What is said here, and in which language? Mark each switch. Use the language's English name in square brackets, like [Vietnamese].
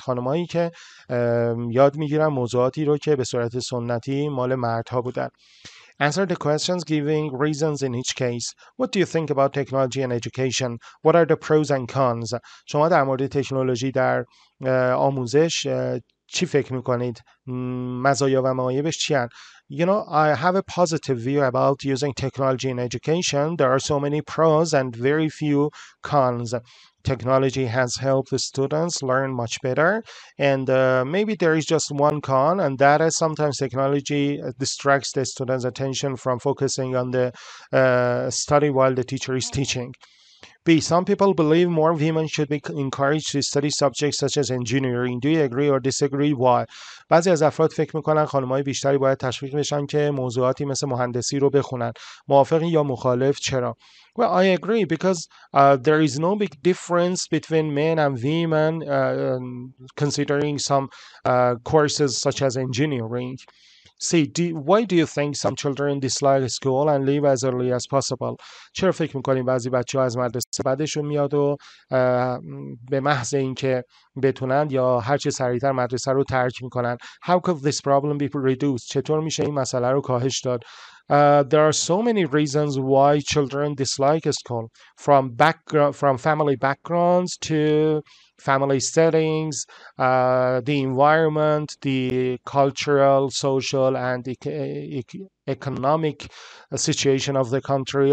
[Persian] خانمایی که یاد میگیرن موضوعاتی رو که به صورت سنتی مال مردها بودن. [English] Answer the questions giving reasons in each case. What do you think about technology and education? What are the pros and cons? [Persian] شما در مورد تکنولوژی در آموزش چی فکر میکنید؟ مزایا و معایبش چی هست؟ [English] You know, I have a positive view about using technology in education. There are so many pros and very few cons. Technology has helped the students learn much better. And maybe there is just one con, and that is sometimes technology distracts the students' attention from focusing on the study while the teacher is teaching. B. Some people believe more women should be encouraged to study subjects such as engineering. Do you agree or disagree? Why? [Persian] بعضی از افراد فکر میکنن خانمهای بیشتری باید تشویق بشن که موضوعاتی مثل مهندسی رو بخونن. موافقی یا مخالف چرا؟ [English] Well, I agree because there is no big difference between men and women considering some courses such as engineering. See, why do you think some children dislike school and leave as early as possible? [Persian] چرا فکر میکنیم بعضی بچه ها از مدرسه بعدشون میاد و به محض اینکه بتونن یا هرچی سریعتر مدرسه رو ترک میکنن. [English] How could this problem be reduced? [Persian] چطور میشه این مسئله رو کاهش داد؟ [English] There are so many reasons why children dislike school, from background, from family backgrounds to family settings, the environment, the cultural, social, and economic situation of the country.